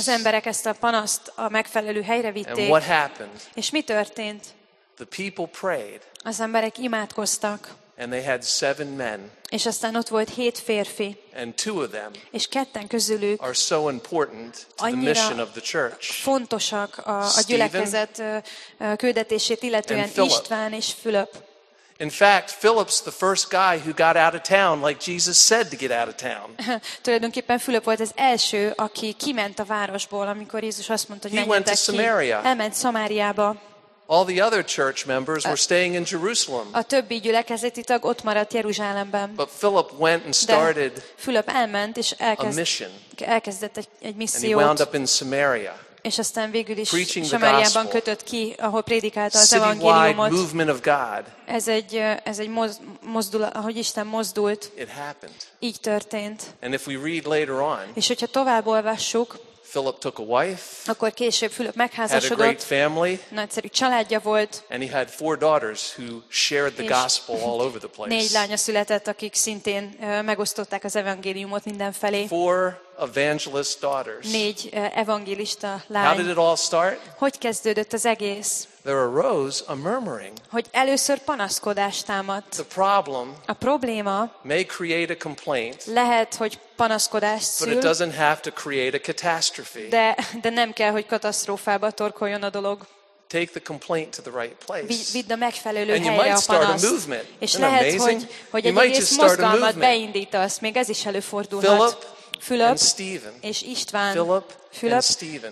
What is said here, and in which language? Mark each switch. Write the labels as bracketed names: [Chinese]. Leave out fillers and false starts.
[Hungarian] Az emberek ezt a panaszt a megfelelő helyre vitték. [English] And what happened? [Hungarian] És mi történt? [English] The people prayed. [Hungarian] Az emberek imádkoztak. [English] And they had seven men. [Hungarian] És aztán ott volt hét férfi. [English] And two of them. [Hungarian] És ketten közülük. [English] Are so important to the mission of the church. [Hungarian] Fontosak a gyülekezet küldetését illetően, István és Fülöp. [English] In fact, Philip's the first guy who got out of town like Jesus said to get out of town. [Hungarian] Tulajdonképpen Fülöp volt az első, aki kiment a városból, amikor Jézus azt mondta, hogy menjetek ki. [English] He went to Samaria. [Hungarian] Elment Szamáriába. [English] All the other church members were staying in Jerusalem. [Hungarian] A többi gyülekezeti tag ott maradt Jeruzsálemben. [English] But Philip went and started. [Hungarian] Fülöp elment és elkezdett. [English] A mission. [Hungarian] Elkezdett egy missziót. [English] And he wound up in Samaria. [Hungarian] És aztán végül is Samáriában kötött ki, ahol prédikálta az evangéliumot. [English] Movement of God. [Hungarian] Ez egy mozdulat, ahogy Isten mozdult. [English] It happened. [Hungarian] Így történt. [English] And if we read later on. [Hungarian] És hogyha tovább olvassuk. [English] Philip took a wife. [Hungarian] Akkor később Fülöp megházasodott. [English] Had a great family. [Hungarian] Nagyszerű családja volt. [English] And he had four daughters who shared the gospel all over the place. [Hungarian] Négy lánya született, akik szintén megosztották az evangéliumot mindenfelé. [English] Four evangelist daughters. [Hungarian] Négy evangélista lány. [English] How did it all start? [Hungarian] Hogy kezdődött az egész? [English] There arose a murmuring. [Hungarian] Hogy először panaszkodás támadt. [English] The problem. [Hungarian] A probléma. [English] May create a complaint. [Hungarian] Lehet, hogy panaszkodás szül. [English] But it doesn't have to create a catastrophe. [Hungarian] De nem kell, hogy katasztrófába torkoljon a dolog. [English] Take the complaint to the right place. [Hungarian] Vidd a megfelelő [English] and [Hungarian] helyre a panaszt. [English] And you might start a movement. [Hungarian] És lehet, hogy egy egész mozgalmat beindítasz. Még ez is előfordulhat. [English] Philip. [Hungarian] Fülöp [English] and Stephen. [Hungarian] És István. [English] Philip and Stephen.